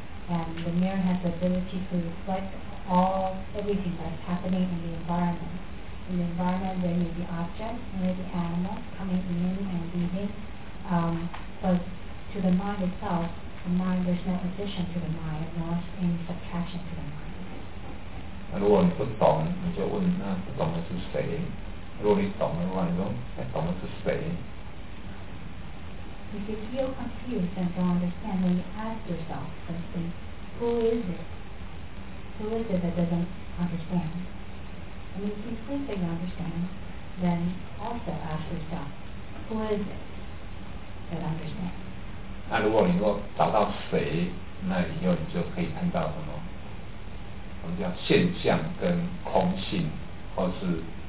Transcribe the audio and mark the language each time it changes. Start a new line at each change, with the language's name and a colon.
English: And the mirror has the ability to reflect everything that's happening in the environment. In the environment, there may be objects, there may be animals coming in and leaving. But to the mind itself, the mind, there's no addition to the mind, nor any subtraction to the mind.
Chinese: 如果你不懂，你就问那不懂的是谁？如果你懂的话，你说懂的是谁？
English: If you feel confused and don't understand, then you ask yourself, for instance, who is it? Who is it that doesn't understand? And if you think that you understand, then also ask yourself, who is it that understands?
Chinese: 那如果你说找到谁，那以后你就可以看到什么？我们叫现象跟空性，或是。